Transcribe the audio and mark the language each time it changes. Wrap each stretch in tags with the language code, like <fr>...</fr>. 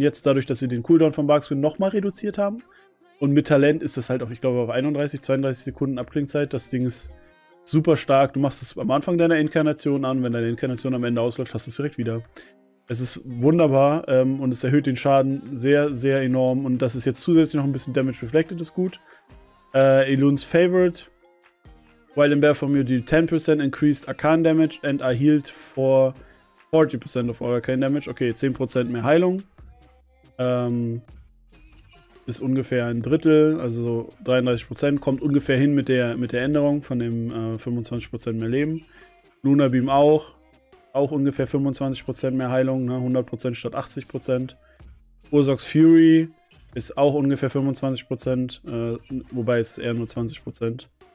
<de>Jetzt dadurch, dass sie den Cooldown von Barkskin nochmal reduziert haben. Und mit Talent ist das halt auch, ich glaube, auf 31, 32 Sekunden Abklingzeit. Das Ding ist super stark. Du machst es am Anfang deiner Inkarnation an. Wenn deine Inkarnation am Ende ausläuft, hast du es direkt wieder. Es ist wunderbar und es erhöht den Schaden sehr, sehr enorm. Und das ist jetzt zusätzlich noch ein bisschen Damage Reflected, ist gut. Elune's Favorite.</de> <en>While in Bear Form, you deal 10% increased Arcane Damage and are healed for 40% of all Arcane Damage.</en> <de>Okay, 10% mehr Heilung. Ist ungefähr ein Drittel, also 33%, kommt ungefähr hin mit der Änderung von dem 25% mehr Leben. Luna Beam auch ungefähr 25% mehr Heilung, ne? 100% statt 80%. Ursoc's Fury ist auch ungefähr 25%, wobei es eher nur 20%.</de>